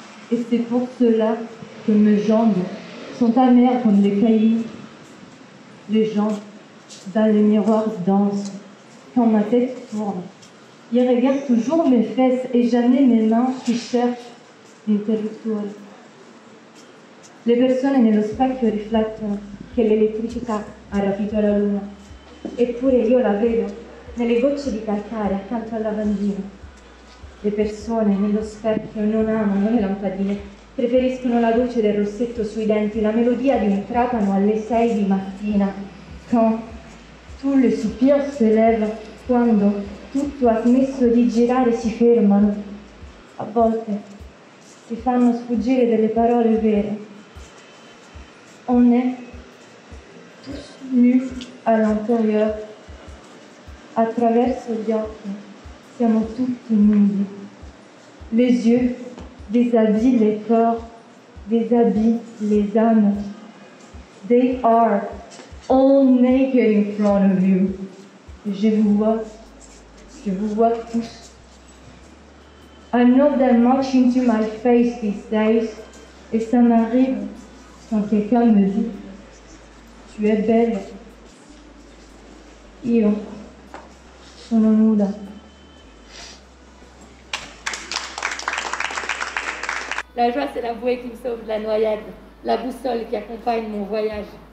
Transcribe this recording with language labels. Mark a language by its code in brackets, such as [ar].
[fr] Et c'est pour cela que mes jambes sont amères comme les cailloux. Les gens dans le miroir dansent quand ma tête tourne. Ils regardent toujours mes fesses et jamais mes mains qui cherchent une telle étoile. Les personnes [it] ne lo specchio riflettono che l'elettricità ha rapito la luna. Eppure io la vedo nelle gocce di calcare accanto al lavandino. Le persone nello specchio non amano le lampadine, preferiscono la luce del rossetto sui denti, la melodia di un trapano alle 6 di mattina. [fr] Quand tout le soupir se lève, [it] quando tutto ha smesso di girare, si fermano. A volte si fanno sfuggire delle parole vere. [fr] On est tous nus à l'intérieur, à travers [it] gli occhi, siamo tutti nudi. [fr] Les yeux déshabillent les corps, déshabillent les âmes. [en] They are all naked in front of you. [fr] Je vous vois tous. [en] I'm not that much into my face these days, [fr] et ça m'arrive. Quand quelqu'un me dit « Tu es belle », [it] io sono nuda. [fr] La joie, c'est la bouée qui me sauve de la noyade, la boussole qui accompagne mon voyage.